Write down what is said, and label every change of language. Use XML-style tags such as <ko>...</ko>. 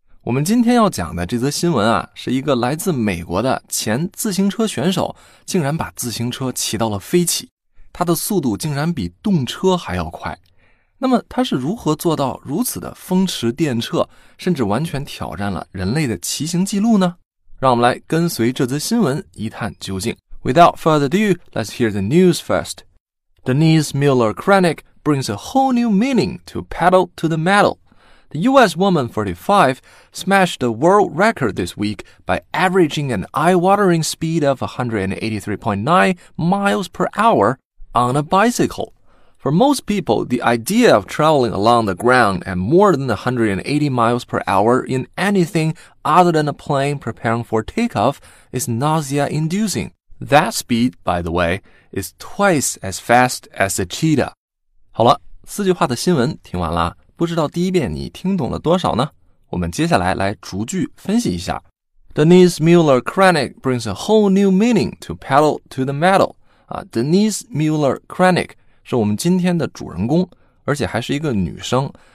<zh>我们今天要讲的这则新闻啊，是一个来自美国的前自行车选手竟然把自行车骑到了飞起，他的速度竟然比动车还要快。那么他是如何做到如此的风驰电掣，甚至完全挑战了人类的骑行记录呢？让我们来跟随这则新闻一探究竟。</zh> <en>Without further ado, let's hear the news first. Denise Miller-Krennic brings a whole new meaning to pedal to the metal. The US woman, 45, smashed the world record this week by averaging an eye-watering speed of 183.9 miles per hour on a bicycle. For most people, the idea of traveling along the ground at more than 180 miles per hour in anything other than a plane preparing for takeoff is nausea-inducing. That speed, by the way, is twice as fast as a cheetah.</en> <zh>好了，四句话的新闻听完了，不知道第一遍你听懂了多少呢？我们接下来来逐句分析一下。</zh> <en>Denise Miller-Krennic brings a whole new meaning to pedal to the metal. Denise Miller-Krennic.</en> <zh>是我们今天的主人公，而且还是一个女生。</zh>